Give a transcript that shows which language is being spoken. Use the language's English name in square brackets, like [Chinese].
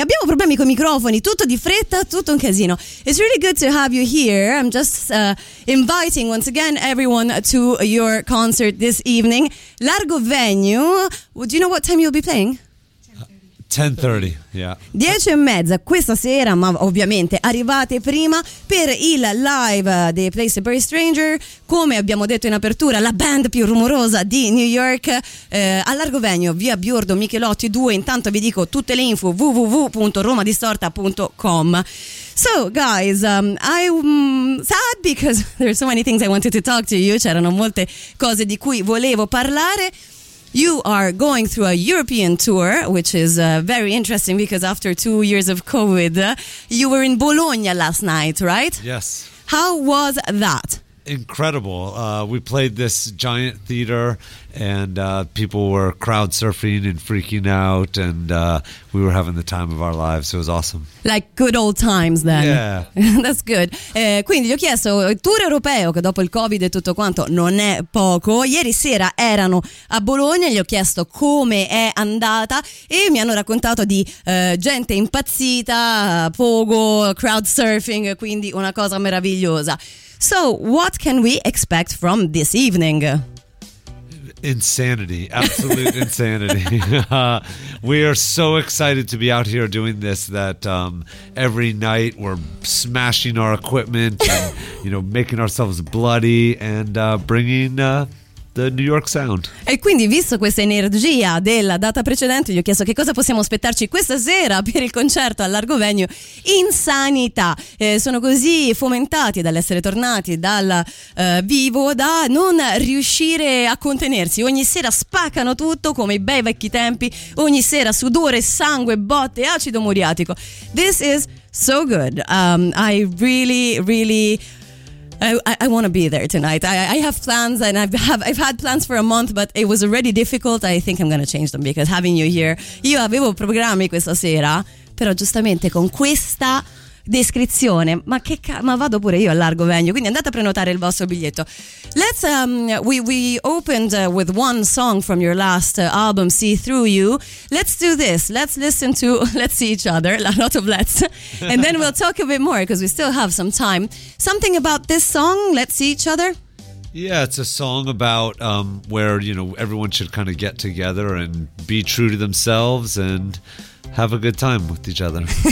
[Italian] Abbiamo problemi con i microfoni, tutto di fretta, tutto un casino. [English] It's really good to have you here. I'm just inviting once again everyone to your concert this evening. Largo venue. Do you know what time you'll be playing? 10:30, yeah. [Italian] 10 e mezza questa sera, ma ovviamente arrivate prima per il live di A Place to Bury Strangers. Come abbiamo detto in apertura, la band più rumorosa di New York, a Largo Venue, via Biordo Michelotti 2. Intanto vi dico tutte le info: www.romadistorta.com. [English] So guys, I'm sad because there are so many things I wanted to talk to you. [Italian] C'erano molte cose di cui volevo parlare. [English] You are going through a European tour, which is very interesting because after 2 years of COVID, you were in Bologna last night, right? Yes. How was that? Incredible. We played this giant theater and people were crowd surfing and freaking out, and we were having the time of our lives. It was awesome. Like good old times then. Yeah. That's good. [Italian] Quindi gli ho chiesto, il tour europeo, che dopo il COVID e tutto quanto non è poco, ieri sera erano a Bologna, gli ho chiesto come è andata e mi hanno raccontato di gente impazzita, pogo, crowd surfing, quindi una cosa meravigliosa. [English] So, what can we expect from this evening? Insanity, absolute insanity. We are so excited to be out here doing this that every night we're smashing our equipment and, you know, making ourselves bloody and bringing the New York sound. [Italian] E quindi, visto questa energia della data precedente, gli ho chiesto che cosa possiamo aspettarci questa sera per il concerto a Largo Venue. Insanità. Sono così fomentati dall'essere tornati dal vivo da non riuscire a contenersi. Ogni sera spaccano tutto come i bei vecchi tempi. Ogni sera sudore, sangue, botte, acido muriatico. [English] This is so good. I really, really... I want to be there tonight. I have plans, and I've had plans for a month, but it was already difficult. I think I'm going to change them because having you here. [Italian] Io avevo programmi questa sera, però giustamente con questa descrizione, ma vado pure io a Largo Venue, quindi andate a prenotare il vostro biglietto. [English] Let's we opened with one song from your last album, See Through You. Let's do this. Let's see each other, a lot of let's, and then we'll talk a bit more because we still have some time. Something about this song, Let's See Each Other. Yeah, it's a song about where, you know, everyone should kind of get together and be true to themselves and have a good time with each other.